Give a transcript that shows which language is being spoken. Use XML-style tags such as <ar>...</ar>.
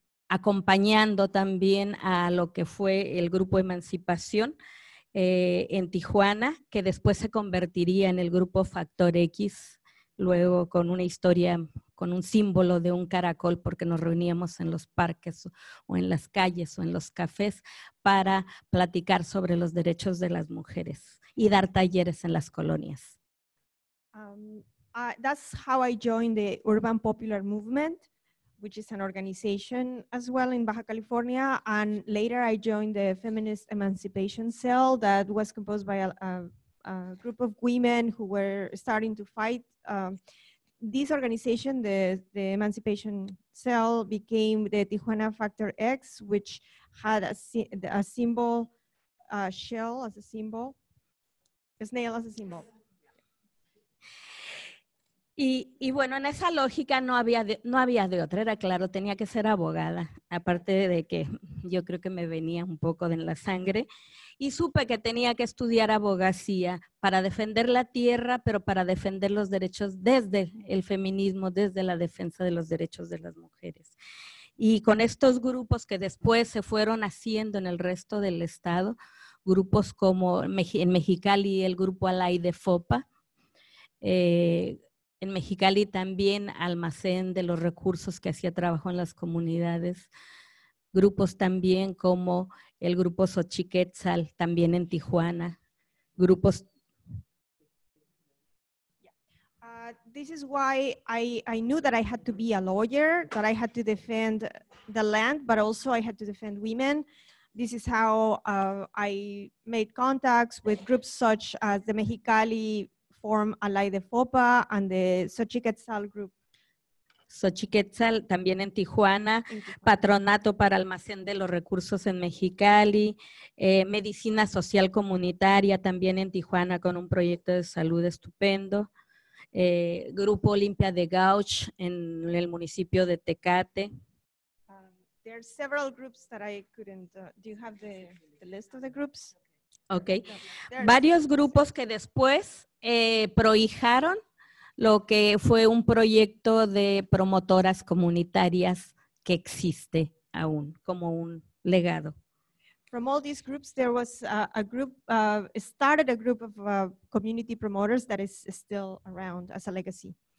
<es>acompañando también a lo que fue el grupo Emancipación en Tijuana, que después se convertiría en el grupo Factor X, luego con una historia, con un símbolo de un caracol, porque nos reuníamos en los parques o en las calles o en los cafés para platicar sobre los derechos de las mujeres y dar talleres en las colonias.</es> <en>That's how I joined the Urban Popular Movement, which is an organization as well in Baja California. And later I joined the Feminist Emancipation Cell that was composed by a group of women who were starting to fight. This organization, the Emancipation Cell, became the Tijuana Factor X, which had a snail as a symbol.</en> <es>Y bueno, en esa lógica no había de otra, era claro, tenía que ser abogada, aparte de que yo creo que me venía un poco de en la sangre, y supe que tenía que estudiar abogacía para defender la tierra, pero para defender los derechos desde el feminismo, desde la defensa de los derechos de las mujeres. Y con estos grupos que después se fueron haciendo en el resto del estado, grupos como en Mexicali el grupo Alay de FOPA, en Mexicali también almacén de los recursos que hacía trabajo en las comunidades, grupos también como el grupo Xochiquetzal, también en Tijuana, grupos.</es> <en>This is why I knew that I had to be a lawyer, that I had to defend the land, but also I had to defend women. This is how I made contacts with groups such as the Mexicali form Alay de FOPA and the Xochiquetzal group.</en> <es>Xochiquetzal, también en Tijuana, Patronato para Almacén de los Recursos en Mexicali, Medicina Social Comunitaria, también en Tijuana, con un proyecto de salud estupendo. Grupo Olimpia de Gauch en el municipio de Tecate.</es> <en>There are several groups that I couldn't. Do you have the list of the groups? Okay.</en> <es>Varios grupos que después prohijaron lo que fue un proyecto de promotoras comunitarias que existe aún como un legado.</es> <en>From all these groups, there was a group of community promoters that is still around as a legacy.</en>